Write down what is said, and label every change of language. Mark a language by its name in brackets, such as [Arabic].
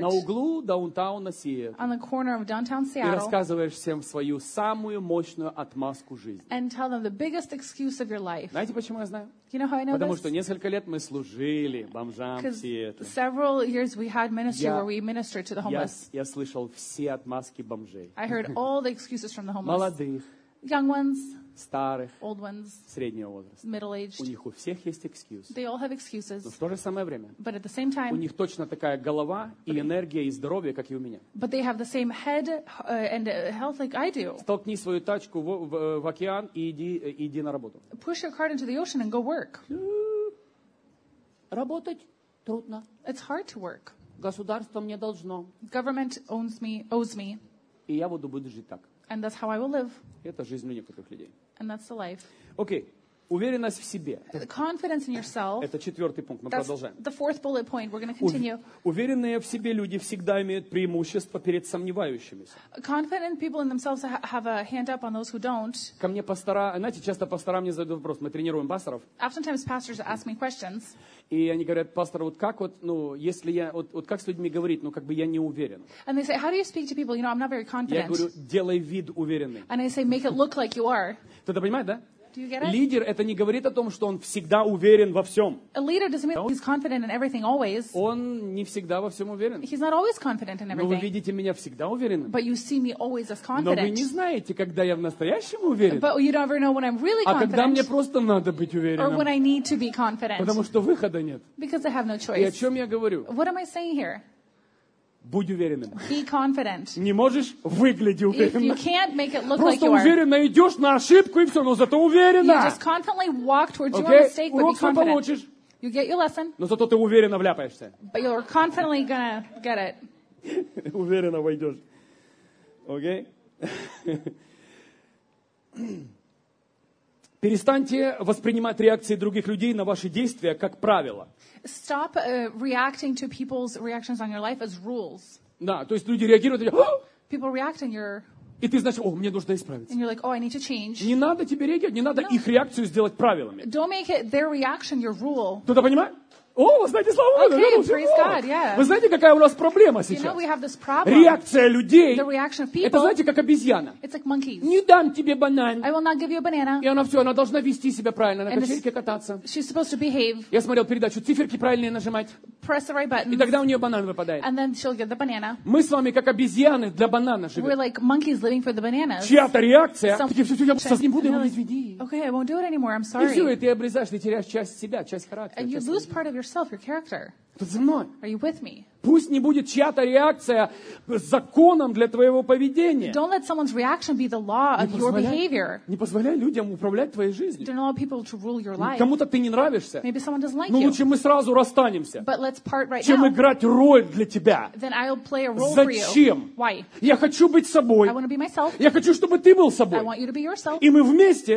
[Russian] На углу даунтауна Сиэтла. [English] On the corner of downtown Seattle. [Russian] И рассказываешь всем свою самую мощную отмазку жизни. [English] And tell them the biggest excuse of your life. [Russian] Знаете, почему я знаю? [English] You know how I know [Russian] Потому [English] this? [Russian] Что несколько лет мы служили бомжам в Сиэтле. [English] Several years we had ministry where we ministered to the homeless. [Russian] Я слышал все отмазки бомжей. [English] I heard all the excuses from the homeless. [Russian] Молодых. [English] Young ones. [Russian] Старых, [English] old ones, [Russian] среднего возраста. [English] Middle-aged. [Russian] У них у всех есть excuse. [English] They all have excuses. [Russian] Но в то же самое время. [English] But at the same time, [Russian] у них точно такая голова и энергия, и здоровье, как и у меня. [English] But they have the same head and health like I do. [Russian] Столкни свою тачку в океан и иди на работу. [English] Push your cart into the ocean and go work. [Russian] Работать трудно. [English] It's hard to work. [Russian] Государство мне должно. [English] Government owns me, owes me. [Russian] И я буду жить так. [English] And that's how I will live. [Russian] Это жизнь некоторых людей. [English] And that's the life. [Russian] Окей. Уверенность в себе. [English] Confidence in yourself. [Russian] Это четвертый пункт. Мы продолжаем. [English] The fourth bullet point. We're going to continue. [Russian] Уверенные в себе люди всегда имеют преимущество перед сомневающимися. [English] Confident people in themselves have a hand up on those who don't. [Russian] Ко мне пастора, знаете, часто пастора мне задают вопрос. Мы тренируем пасторов. [English] Oftentimes pastors ask me questions. [Russian] И они говорят, пастор, вот как вот, ну, если я, вот, вот как с людьми говорить, ну, как бы я не уверен. [English] And they say, how do you speak to people? You know, I'm not very confident. [Russian] Я говорю, делай вид уверенный. [English] And I say, make it look like you are. [Russian] Ты это понимаешь, да? [English] Do you get it? [Russian] Лидер это не говорит о том, что он всегда уверен во всем. [English] A leader doesn't mean he's confident in everything always. [Russian] Он не всегда во всем уверен. [English] He's not always confident in everything. [Russian] Но вы видите меня всегда уверенным. [English] But you see me always as confident. [Russian] Но вы не знаете, когда я в настоящем уверен. [English] But you don't ever know when I'm really confident. [Russian] А когда мне просто надо быть уверенным. [English] Or when I need to be confident. [Russian] Потому что выхода нет. [English] Because I have no choice. [Russian] И о чем я говорю? [English] What am I saying here? [Russian] Будь уверенным. [English] Be confident. [Russian] Не можешь выглядеть уверенно. [English] If you can't make it look [Russian] просто [English] like you are. [Russian] Просто уверенно идешь на ошибку и все, но зато уверенно. [English] You just confidently walk towards your mistake, but be confident. [Russian] Урок свой получишь. [English] You get your lesson. [Russian] Но зато ты уверенно вляпаешься. [English] But you're confidently gonna get it. [Russian] Уверенно войдешь. Окей? Перестаньте воспринимать реакции других людей на ваши действия как правило. [English] Stop reacting to people's reactions on your life as rules. [Russian] Да, то есть люди реагируют, и [English] people react and you're... [Russian] И ты знаешь, о, мне нужно исправиться. [English] And you're like, oh, I need to change. [Russian] Не надо тебе реагировать, не надо no. их реакцию сделать правилами. [English] Don't make it their reaction your rule. [Russian] Кто-то понимает? О, вы знаете, слава Богу, [English] okay, praise God, yeah. [Russian] Вы знаете, какая у нас проблема сейчас? [English] You know, we have this problem. [Russian] Реакция людей. [English] The reaction of people. [Russian] Это знаете, как обезьяна. [English] It's like monkeys. [Russian] Не дам тебе банан. [English] I will not give you a banana. [Russian] И она все, она должна вести себя правильно, на качельке кататься. [English] She's supposed to behave. [Russian] Я смотрел передачу, циферки правильные нажимать. [English] Press the right button. [Russian] И тогда у нее банан выпадает. [English] And then she'll get the banana. [Russian] Мы с вами как обезьяны для банана живем. [English] We're like monkeys living for the bananas. [Russian] Чья-то реакция. Я сейчас не буду, извини. [English] Okay, I won't do it anymore. I'm sorry. [Russian] И все, и ты обрезаешь, ты теряешь часть себя, часть характера. [English] And you lose part of yourself, your character. Are you with me? [Russian] Пусть не будет чья-то реакция законом для твоего поведения. [English] Don't let someone's reaction be the law of your behavior. [Russian] Не позволяй людям управлять твоей жизнью. [English] Don't allow people to rule your life. [Russian] Кому-то ты не нравишься. [English] Maybe someone doesn't like you. [Russian] Но лучше мы сразу расстанемся. [English] But let's part right now. [Russian] Чем играть роль для тебя. [English] Then I'll play a role for you. [Russian] Зачем? [English] Why? [Russian] Я хочу быть собой. [English] I want to be myself. [Russian] Я хочу, чтобы ты был собой. [English] I want you to be yourself. [Russian] И мы вместе.